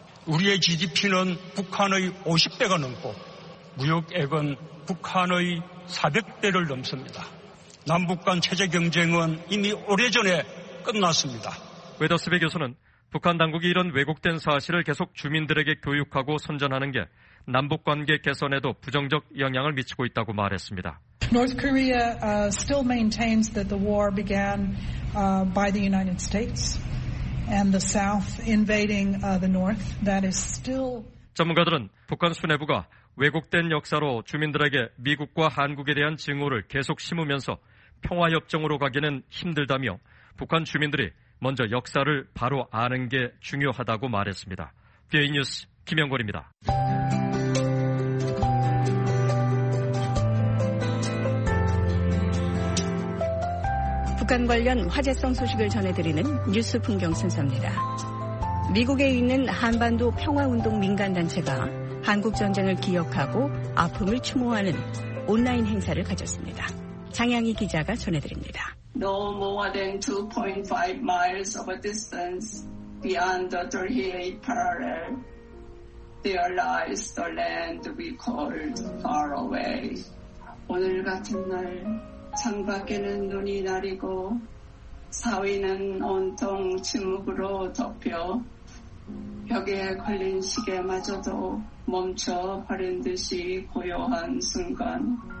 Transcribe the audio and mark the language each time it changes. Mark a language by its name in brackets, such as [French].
[Korean] 우리의 GDP는 북한의 50배가 넘고 무역액은 북한의 400배를 넘습니다. 남북 간 체제 경쟁은 이미 오래전에 끝났습니다. 웨더스베 교수는 북한 당국이 이런 왜곡된 사실을 계속 주민들에게 교육하고 선전하는 게 남북 관계 개선에도 부정적 영향을 미치고 있다고 말했습니다. [English] North Korea still maintains that the war began by the United States and the South invading the North. That is still [Korean] 전문가들은 북한 수뇌부가 왜곡된 역사로 주민들에게 미국과 한국에 대한 증오를 계속 심으면서 평화 협정으로 가기는 힘들다며 북한 주민들이 먼저 역사를 바로 아는 게 중요하다고 말했습니다. BA 뉴스 김영걸입니다. 북한 관련 화제성 소식을 전해드리는 뉴스 풍경센서입니다. 미국에 있는 한반도 평화운동 민간단체가 한국전쟁을 기억하고 아픔을 추모하는 온라인 행사를 가졌습니다. 장양희 기자가 전해드립니다. [English] No more than 2.5 miles of a distance beyond the Dolhele parallel. There lies the land we called far away. [Korean] 오늘 같은 날 창밖에는 눈이 내리고 사위는 온통 침묵으로 덮여 벽에 걸린 시계마저도 멈춰 버린 듯이 고요한 순간.